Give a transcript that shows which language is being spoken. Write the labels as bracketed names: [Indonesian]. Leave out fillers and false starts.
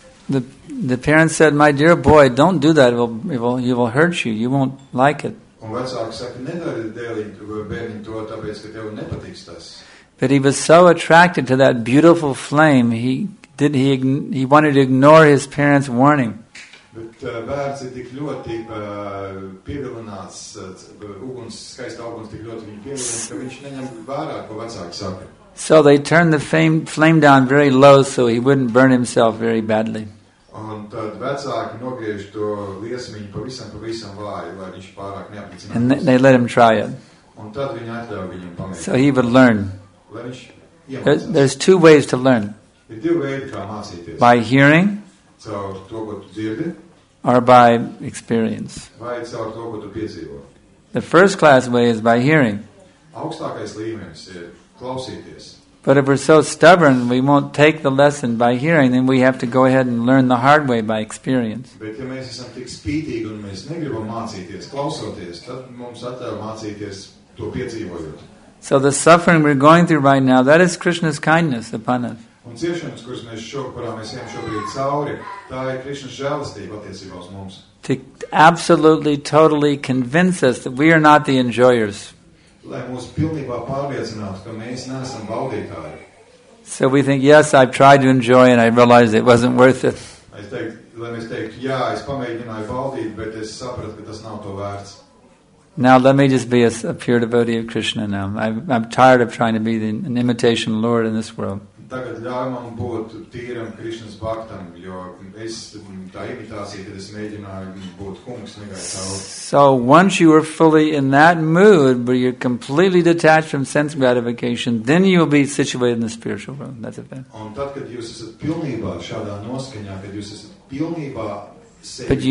[English] The parents said, my dear boy, don't do that. It will hurt you. You won't like it. [Latvian] Un vecāki saka, nedari dēliņ bērniņ to, tāpēc, ka tev nepatiks tas. [English] But he was so attracted to that beautiful flame, he wanted to ignore his parents' warning. [Latvian] Bet bērns ir tik ļoti pievilināts, skaista uguns tik ļoti viņu pievilināts, ka viņš neņem vērā, ko vecāki saka. [English] So they turned the flame down very low, so he wouldn't burn himself very badly. [Latvian] Un tad vecāki nogriež to liesmiņu pavisam, pavisam vāju, lai viņš pārāk neapnicinās. [English] And they let him try it. [Latvian] Un tad viņi atļauj viņam pamēģināt. [English] So he would learn. [Latvian] Lai viņš iemācās. [English] There's two ways to learn. [Latvian] Ir divi veidi, kā mācīties. [English] By hearing. [Latvian] Caur to, ko tu dzirdi. [English] Or by experience. [Latvian] Vai caur to, ko tu piedzīvo. [English] The first class way is by hearing. [Latvian] Augstākais līmenis ir klausīties. [English] But if we're so stubborn, we won't take the lesson by hearing, then we have to go ahead and learn the hard way by experience. [Latvian] Bet ja mēs esam tik spītīgi un mēs negribam mācīties, klausoties, tad mums atļauj mācīties to piedzīvojot. [English] So the suffering we're going through right now, that is Krishna's kindness upon us. [Latvian] Un ciešanas, kuras mēs ejam šobrīd cauri, tā ir Krišnas žēlistība attiecībā uz mums. [English] To absolutely, totally convince us that we are not the enjoyers. [Latvian] Lai mūs pilnībā pārliecinātu, ka mēs neesam baudītāji. [English] So we think, yes, I've tried to enjoy and I realized it wasn't worth it. [Latvian] Es pamēģināju baudīt, bet es sapratu, ka tas nav to vērts. [English] Now let me just be a pure devotee of Krishna now. I'm tired of trying to be an imitation Lord in this world. [Latvian] Tagad ļauj man būt tīram Krišnas baktam, jo es tā imitācija, kad es mēģināju būt kungs, [English] So once you are fully in that mood, where you're completely detached from sense gratification, then you will be situated in the spiritual realm. That's a fact. [Latvian] Un tad, kad jūs esat pilnībā šādā noskaņā, kad jūs esat pilnībā